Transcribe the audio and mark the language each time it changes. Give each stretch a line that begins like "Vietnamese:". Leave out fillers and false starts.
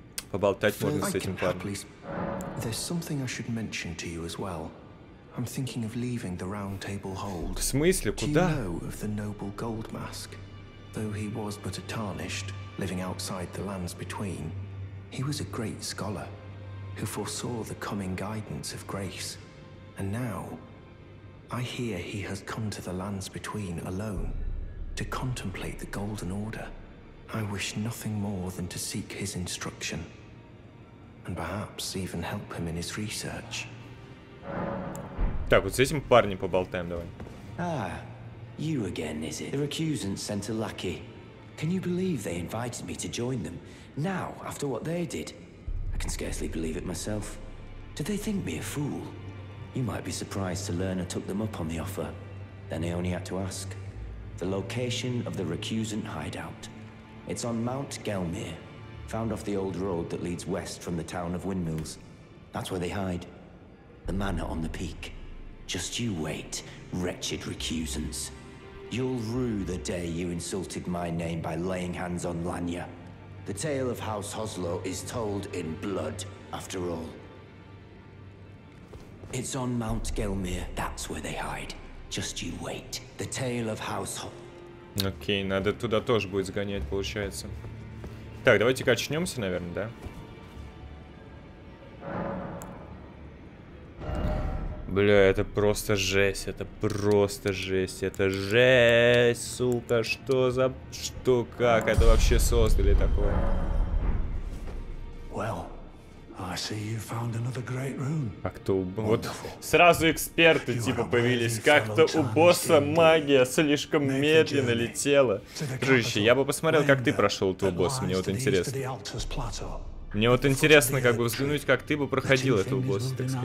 Russian: Поболтать можно с этим парнем.
English: I'm thinking of leaving the round table hold.
Russian: В смысле, куда?
English: Do you know of the noble gold mask? Though he was but a tarnished, living outside the lands between, he was a great scholar, who foresaw the coming guidance of grace. And now, I hear he has come to the lands between alone, to contemplate the golden order. I wish nothing more than to seek his instruction, and perhaps even help him in his research.
Russian: Так, вот с этим парнем поболтаем давай.
English: Ah, you again, is it? The recusants sent a lackey. Can you believe they invited me to join them? Now, after what they did, I can scarcely believe it myself. Did they think me a fool? You might be surprised to learn I took them up on the offer. Then I only had to ask. The location of the recusant hideout. It's on Mount Gelmir, found off the old road that leads west from the town of Windmills. That's where they hide. The manor on the peak. Just you wait, wretched recusants. You'll rue the day you insulted my name by laying hands on Lanya. The tale of House Hoslow is told in blood, after all. It's on Mount Gelmir, that's where they hide. Just you wait, the tale of House Hoslow.
Russian: Окей, надо туда тоже будет сгонять, получается. Так, давайте качнемся, наверное, да? Бля, это просто жесть, это просто жесть, это жесть, сука, что за, что, как, это вообще создали такое?
English: Well, I see you found another great room.
Russian: А кто,
English: wonderful.
Russian: Вот сразу эксперты типа появились, как-то у босса магия слишком медленно летела. Дружище, я бы посмотрел, как ты прошел этого босса, мне вот интересно. Мне вот интересно, как бы взглянуть, как ты бы проходил этого босса.